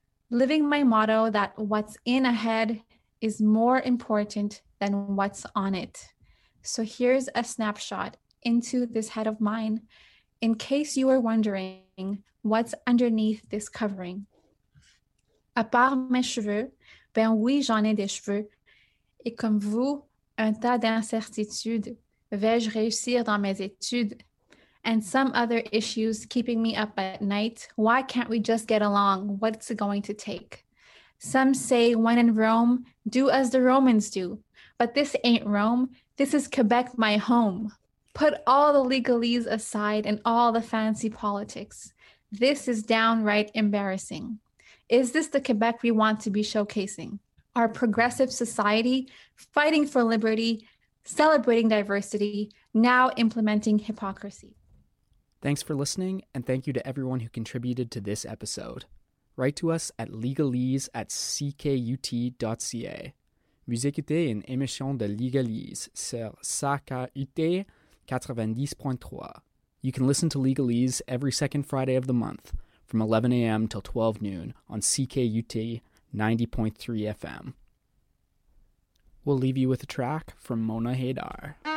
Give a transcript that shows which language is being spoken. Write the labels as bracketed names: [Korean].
[English] Living my motto that what's in a head is more important than what's on it. So here's a snapshot into this head of mine, in case you were wondering what's underneath this covering. [French] À part mes cheveux, ben oui, j'en ai des cheveux. Et comme vous, un tas d'incertitudes. Vais-je réussir dans mes études? [English] And some other issues keeping me up at night. Why can't we just get along? What's it going to take? Some say when in Rome, do as the Romans do. But this ain't Rome. This is Quebec, my home. Put all the legalese aside and all the fancy politics. This is downright embarrassing. Is this the Quebec we want to be showcasing? Our progressive society, fighting for liberty, celebrating diversity, now implementing hypocrisy. Thanks for listening, and thank you to everyone who contributed to this episode. Write to us at legalese@ckut.ca. [French] Vous écoutez une émission de Legalese sur CKUT 90.3. [English] You can listen to Legalese every second Friday of the month from 11 a.m. till 12 noon on CKUT 90.3 FM. We'll leave you with a track from Mona Haidar.